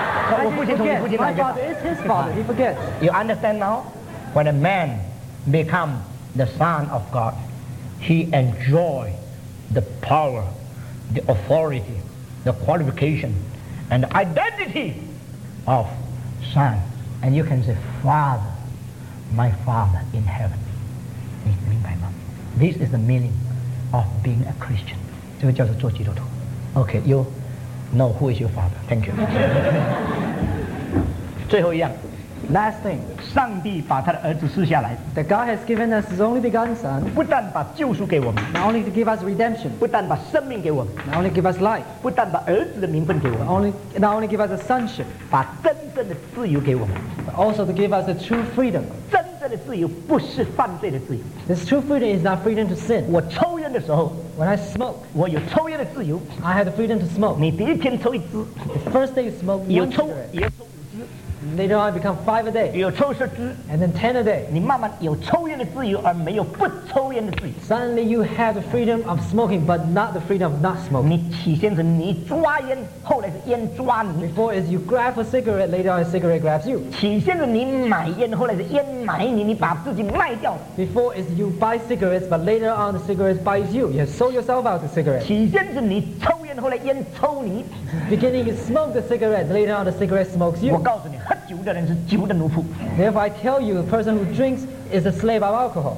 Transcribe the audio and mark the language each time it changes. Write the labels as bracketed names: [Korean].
[Chinese] 我父亲就是他父亲，他忘记了。我父亲同你父亲哪一个？ [English] You understand now? When a man become the son of God, he enjoy the power, the authority, the qualification, and the identity of son. And you can say, Father, my Father in heaven. [Chinese] 你明白吗？ [English] This is the meaning of being a Christian. [Chinese] 这个叫做做基督徒。 [English] Okay, you. No, who is your father? Thank you. [Chinese] 最后一样 [English] Last thing. [Chinese] 上帝把他的儿子赐下来 [English] That God has given us his only begotten son. [Chinese] 不但把救赎给我们 [English] Not only to give us redemption. [Chinese] 不但把生命给我们 [English] Not only give us life. [Chinese] 不但把儿子的名分给我们 [English] Not only give us a sonship. [Chinese] 把真正的自由给我们 [English] But also to give us a true freedom. [Chinese] 真正的自由不是犯罪的自由 [English] This true freedom is not freedom to sin. [Chinese] 我抽烟的时候 [English] When I smoke, [Chinese] 我有抽烟的自由 [English] I have the freedom to smoke. [Chinese] 你第一天抽一支 [English] The first day you smoke, [Chinese] 有抽五支 [English] Later on, I become five a day. [Chinese] 有抽十支 [English] And then ten a day. [Chinese] 你慢慢有抽烟的自由而没有不抽烟的自由 [English] Suddenly you have the freedom of smoking, but not the freedom of not smoking. [Chinese] 你起先是你抓烟，后来是烟抓你 [English] Before is you grab a cigarette, later on a cigarette grabs you. [Chinese] 起先是你买烟，后来是烟买你，你把自己卖掉 [English] Before is you buy cigarettes, but later on the cigarette buys you. You have sold yourself out the cigarette. [Chinese] 起先是你抽烟，后来烟抽你 [English] Beginning you smoke the cigarette, later on the cigarette smokes you. [Chinese] 我告诉你，喝酒的人是酒的奴仆 [English] Therefore I tell you, a person who drinks is a slave of alcohol.